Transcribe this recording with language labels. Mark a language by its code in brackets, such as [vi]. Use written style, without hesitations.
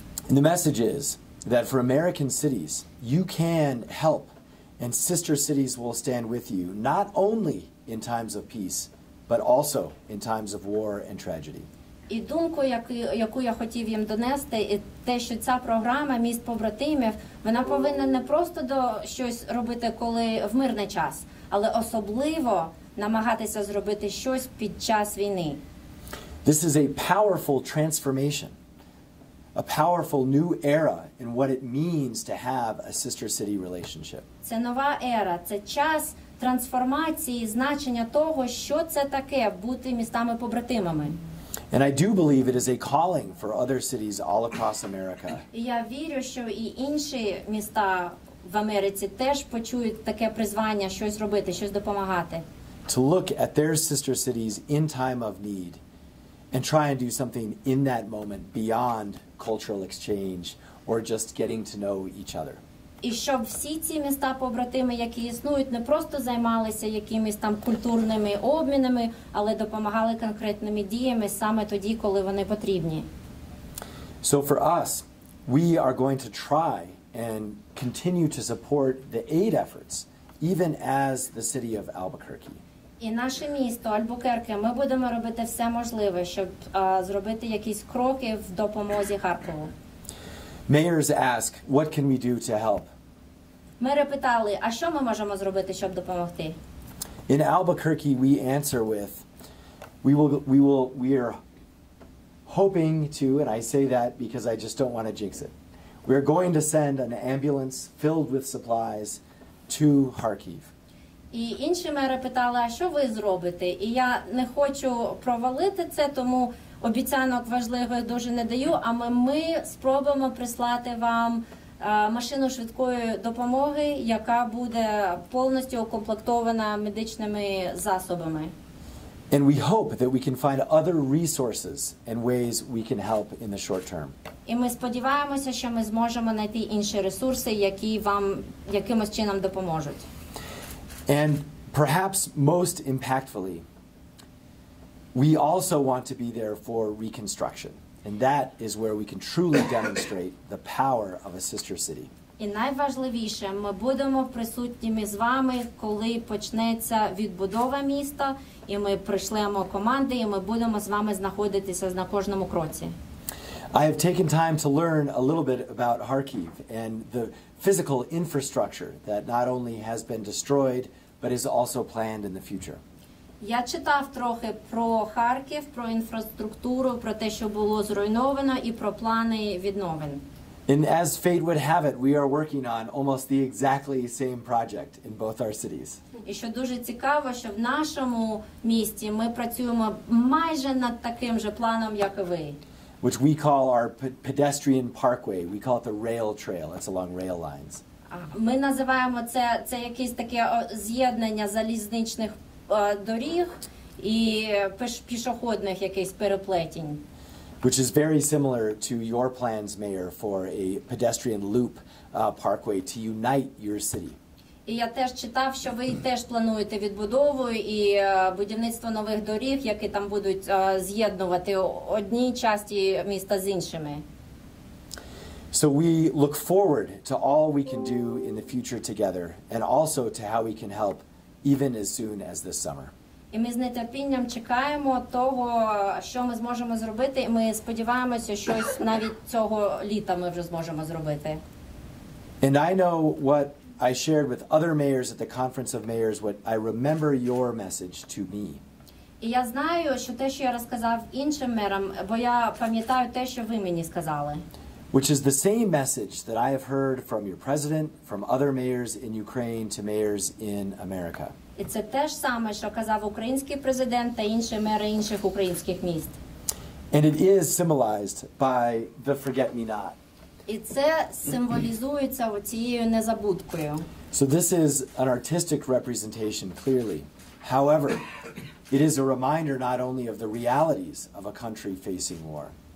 [en] The message is that for American cities, you can help, and sister cities will stand with you, not only in times of peace, but also in times of war and tragedy. [uk] І думку, яку я хотів їм донести, і те, що ця програма «Міст побратимів», вона повинна не просто до щось робити, коли в мирний час, але особливо намагатися зробити щось під час війни. [en] This is a powerful transformation, a powerful new era in what it means to have a sister city relationship. [uk] Це нова ера, це час трансформації, значення того, що це таке бути містами-побратимами. [en] And I do believe it is a calling for other cities all across America. [uk] Я вірю, що і інші міста в Америці теж почують таке призвання щось робити, щось допомагати. [en] To look at their sister cities in time of need and try and do something in that moment beyond cultural exchange or just getting to know each other. [uk] І щоб всі ці міста-побратими, які існують, не просто займалися якимись там культурними обмінами, але допомагали конкретними діями саме тоді, коли вони потрібні. [en] So for us, we are going to try and continue to support the aid efforts, even as the city of Albuquerque. [uk] І наше місто, Альбукерке, ми будемо робити все можливе, щоб зробити якісь кроки в допомозі Харкову. [en] Mayors ask, what can we do to help? [uk] Мери питали, а що ми можемо зробити, щоб допомогти? [en] In Albuquerque, we answer with, we are hoping to, and I say that because I just don't want to jinx it. We are going to send an ambulance filled with supplies to Kharkiv. [uk] І інші мери питали, а що ви зробите? І я не хочу провалити це, тому обіцянок важливих дуже не даю, а ми спробуємо прислати вам машину швидкої допомоги, яка буде повністю укомплектована медичними засобами. [en] And we hope that we can find other resources and ways we can help in the short term. [uk] І ми сподіваємося, що ми зможемо знайти інші ресурси, які вам якимось чином допоможуть. [en] And perhaps most impactfully, we also want to be there for reconstruction, and that is where we can truly demonstrate the power of a sister city. [uk] І найважливіше, ми будемо присутніми з вами, коли почнеться відбудова міста, і ми прийшлемо команди, і ми будемо з вами знаходитися на кожному кроці. [en] I have taken time to learn a little bit about Kharkiv and the physical infrastructure that not only has been destroyed, but is also planned in the future. [uk] Я читав трохи про Харків, про інфраструктуру, про те, що було зруйновано, і про плани відновлення. [en] And as fate would have it, we are working on almost the exactly same project in both our cities. [uk] І що дуже цікаво, що в нашому місті ми працюємо майже над таким же планом, як і ви. [en] Which we call our pedestrian parkway. We call it the rail trail. It's along rail lines. [uk] Ми називаємо це якесь таке з'єднання залізничних доріг і пішохідних якихось переплетень. [en] Which is very similar to your plans, Mayor, for a pedestrian loop parkway to unite your city. [uk] І я теж читав, що ви теж плануєте відбудову і будівництво нових доріг, які там будуть з'єднувати одні частини міста з іншими. [en] So we look forward to all we can do in the future together and also to how we can help even as soon as this summer. [uk] І ми з нетерпінням чекаємо того, що ми зможемо зробити, і ми сподіваємося, щось навіть цього літа ми вже зможемо зробити. [en] And I know what I shared with other mayors at the Conference of Mayors, what I remember your message to me. [uk] І я знаю, що те, що я розказав іншим мерам, бо я пам'ятаю те, що ви мені сказали. [en] Which is the same message that I have heard from your president, from other mayors in Ukraine, to mayors in America. [uk] І це те ж саме, що казав український президент та інші мери інших українських міст. [en] And it is symbolized by the forget-me-not. [uk] І це символізується оцією незабудкою. [en] So this is an artistic representation, clearly. However, it is a reminder not only of the realities of a country facing war.